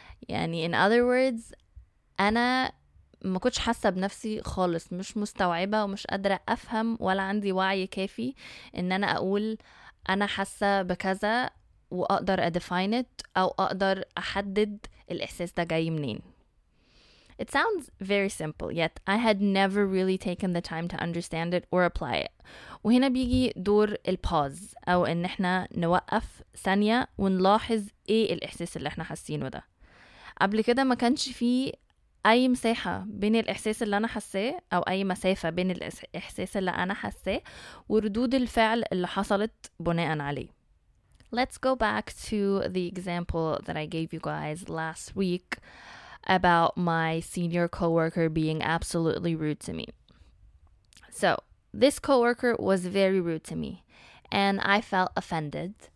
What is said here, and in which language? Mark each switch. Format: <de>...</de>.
<ar>يعني</ar> <en>in other words,</en> <ar>انا ما كنتش حاسة بنفسي خالص, مش مستوعبة ومش قادرة أفهم ولا عندي وعي كافي إن أنا أقول أنا حاسة بكذا وأقدر أدفينت أو أقدر أحدد الإحساس ده جاي منين.</ar> <en>It sounds very simple, yet I had never really taken the time to understand it or apply it.</en> <ar>وهنا بيجي دور الباز أو إن إحنا نوقف ثانية ونلاحظ إيه الإحساس اللي إحنا حاسينه ده. قبل كده ما كانش فيه أي مساحة بين الإحساس اللي أنا حاساه أو أي مسافة بين الإحساس اللي أنا حاساه وردود الفعل اللي حصلت بناء عليه.</ar> <en>Let's go back to the example that I gave you guys last week about my senior coworker being absolutely rude to me. So, this coworker was very rude to me, and I felt offended.</en>